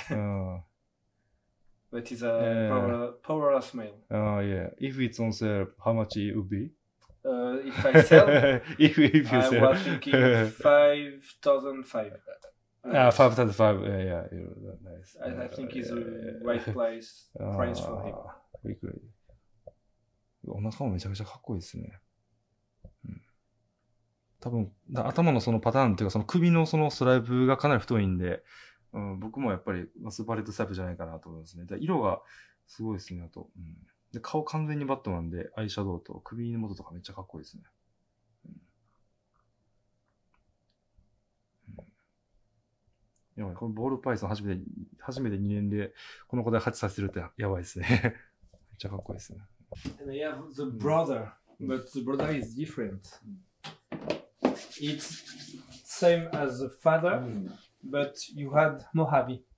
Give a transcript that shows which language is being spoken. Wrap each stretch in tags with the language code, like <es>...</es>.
<en>But it's a powerless mail. If it's on sale, how much it would be? If I sell? if you sell. I was thinking 5,005. Yeah, 5,005. Yeah, yeah. Nice. I think it's the right price for him.</en> <ja>いくらいい。お腹もめちゃめちゃかっこいいですね。多分頭のそのパターンというかその首のそのストライプがかなり太いんで、僕もやっぱりスーパーレッドスライプじゃないかなと思いますね。で色がすごいですね。あと、で顔完全にバットマンでアイシャドウと首元とかめっちゃかっこいいですね。やばい、このボールパイソン初めて2年でこの子で発射させるってやばいですね。めっちゃかっこいいですね。</ja> <en>And I have the brother, but the brother is different. It's same as the father, but you had Mojave.</en>